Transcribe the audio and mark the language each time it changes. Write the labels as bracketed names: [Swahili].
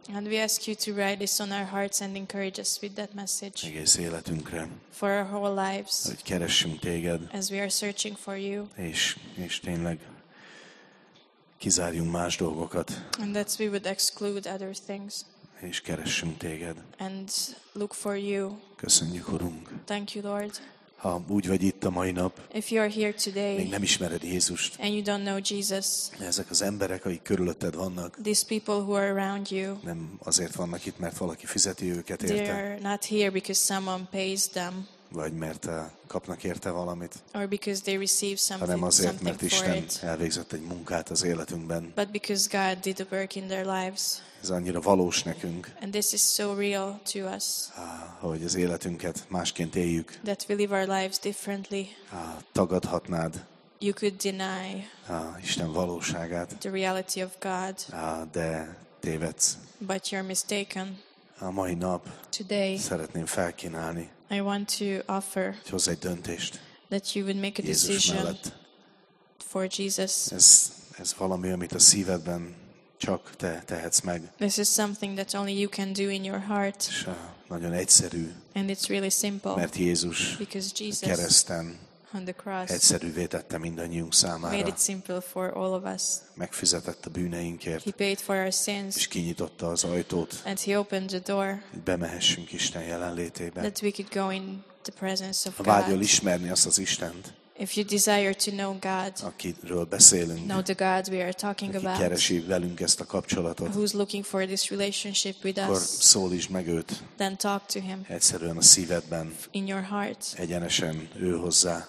[English] And we ask you to write this on our hearts and encourage us with that message. [Hungarian] Egész életünkre. [English] For our whole lives. [Hungarian] Hogy keressünk téged. [English] As we are searching for you. [Hungarian] És tényleg kizárjunk más dolgokat. [English] And that we would exclude other things. [Hungarian] És keressünk téged. [English] And look for you. [Hungarian] Köszönjük, Urunk. [English] Thank you, Lord. [Hungarian] Ha úgy vagy itt a mai nap, [English] if you are here today, [Hungarian] még nem ismered Jézust, [English] and you don't know Jesus, [Hungarian] ezek az emberek, akik körülötted vannak, [English] these people who are around you, [Hungarian] nem azért vannak itt, mert valaki fizeti őket [English] they [Hungarian] érte, [English] are not here because someone pays them, [Hungarian] vagy mert kapnak érte valamit, [English] or because they receive something, [Hungarian] hanem azért, mert Isten elvégzett egy munkát az életünkben. [English] But because God did a work in their lives. [Hungarian] Ez annyira valós nekünk. [English] And this is so real to us. [Hungarian] Hogy az életünket másként éljük. [English] That we live our lives differently. [Hungarian] Tagadhatnád. [English] You could deny. [Hungarian] Isten valóságát. [English] The reality of God. [Hungarian] De tévedsz. [English] But you're mistaken. [Hungarian] A mai nap. [English] Today. [Hungarian] Szeretném felkínálni. [English] I want to offer. [Hungarian] Hozz egy döntést. [English] That you would make a decision. [Hungarian] Jézus mellett. [English] For Jesus. [Hungarian] Ez valami, amit a szívedben csak te tehetsz meg. [English] This is something that only you can do in your heart. [Hungarian] És nagyon egyszerű. [English] And it's really simple. [Hungarian] Mert Jézus kereszten [English] on the cross [Hungarian] egyszerűvé tette mindannyiunk számára. [English] Made it simple for all of us. [Hungarian] Megfizetett a bűneinkért. [English] He paid for our sins. [Hungarian] És kinyitotta az ajtót. [English] And he opened the door. [Hungarian] Hogy bemehessünk Isten jelenlétébe. [English] That we could go in the presence of God. [Hungarian] Ha vágyol ismerni azt az Istent. [English] If you desire to know God, [Hungarian] akiről beszélünk, [English] know the God we are talking [Hungarian] aki [English] about, [Hungarian] keresi velünk ezt a kapcsolatot, [English] who's looking for this relationship with us, [Hungarian] akkor szólítsd meg őt, [English] then talk to him, [Hungarian] egyszerűen a szívedben, [English] in your heart, [Hungarian] egyenesen ő hozzá,